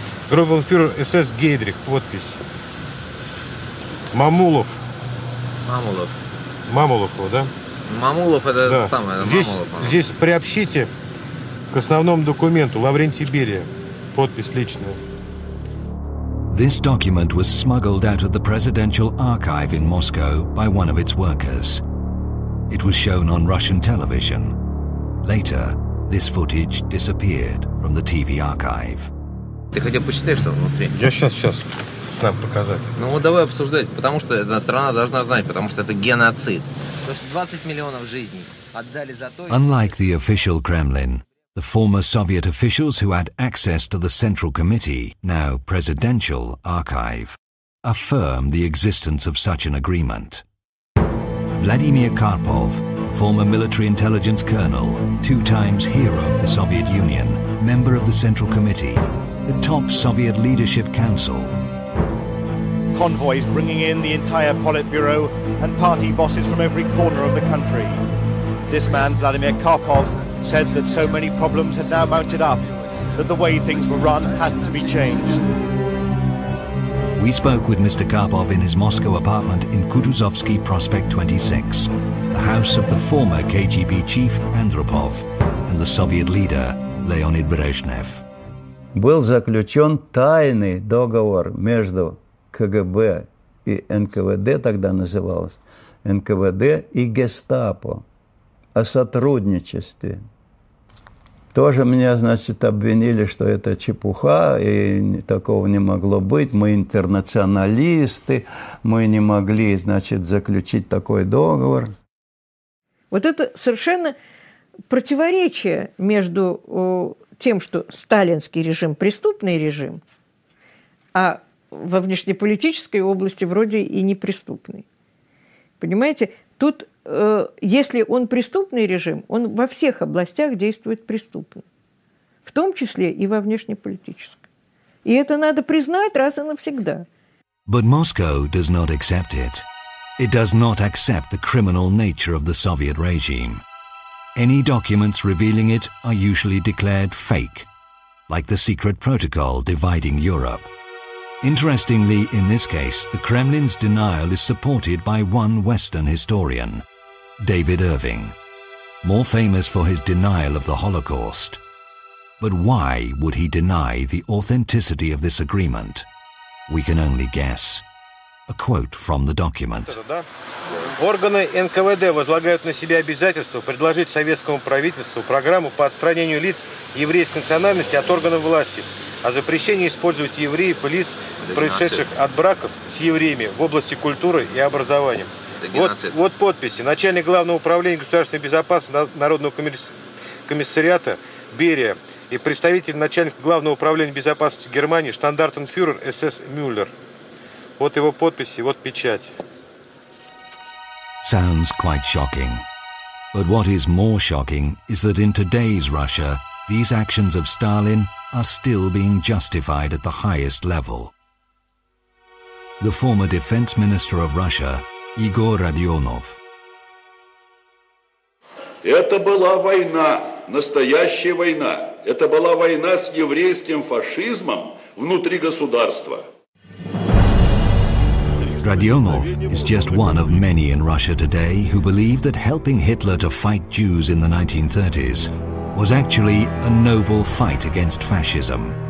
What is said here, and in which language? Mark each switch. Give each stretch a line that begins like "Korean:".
Russian: Группенфюрер СС Гейдрих, подпись. Мамулов. Мамулов. Мамулов, да? Мамулов это да. Самое. Здесь, Мамулов, здесь приобщите к основному документу Лаврентий Берия. Подпись личная.
English: This document was smuggled out of the presidential archive in Moscow by one of its workers. It was shown on Russian television. Later, this footage disappeared from the TV archive.
Russian: Ты хотя бы почитай, что внутри. Я сейчас. Нам показать. Ну вот давай обсуждать, потому что эта страна должна знать, потому что это геноцид. То есть 20 миллионов жизней отдали за то...
English: Unlike the official Kremlin, the former Soviet officials who had access to the Central Committee, now presidential, archive, affirm the existence of such an agreement. Vladimir Karpov, former military intelligence colonel, two times hero of the Soviet Union, member of the Central Committee, the top Soviet leadership council, convoys bringing in the entire Politburo and party bosses from every corner of the country. This man, Vladimir Karpov, said that so many problems had now mounted up that the way things were run had to be changed. We spoke with Mr. Karpov in his Moscow apartment in Kutuzovsky Prospect 26, the house of the former KGB chief Andropov, and the Soviet leader, Леонид Брежнев.
Russian: Был заключен тайный договор между КГБ и НКВД, тогда называлось, НКВД и Гестапо о сотрудничестве. Тоже меня, значит, обвинили, что это чепуха, и такого не могло быть. Мы интернационалисты, мы не могли, значит, заключить такой договор. Вот это совершенно противоречие между тем, что сталинский режим – преступный режим, а во внешнеполитической области вроде и не преступный. Понимаете, тут... Если он преступный режим, он во всех областях действует преступно, в том числе и во внешнеполитической. И это надо признать раз и навсегда.
English: But Moscow does not accept it. It does not accept the criminal nature of the Soviet regime. Any documents revealing it are usually declared fake, like the secret protocol dividing Europe. Interestingly, in this case, the Kremlin's denial is supported by one Western historian. David Irving, more famous for his denial of the Holocaust. But why would he deny the authenticity of this agreement? We can only guess. A quote from the document.
Russian: Органы НКВД возлагают на себя обязательство предложить советскому правительству программу по отстранению лиц еврейской национальности от органов власти, о запрещении использовать евреев и лиц, происшедших от браков с евреями в области культуры и образования. Вот подписи. Начальник Главного управления государственной безопасности Народного комиссариата Берия и представитель начальника Главного управления безопасности Германии штандартенфюрер СС Мюллер. Вот его подписи, вот печать.
English: Sounds quite shocking. But what is more shocking is that in today's Russia, these actions of Stalin are still being justified at the highest level. The former defense minister of Russia, Игорь Родионов.
Russian: Это была война, настоящая война. Это была война с еврейским фашизмом внутри государства.
English: Родионов is just one of many in Russia today who believe that helping Hitler to fight Jews in the 1930s was actually a noble fight against fascism.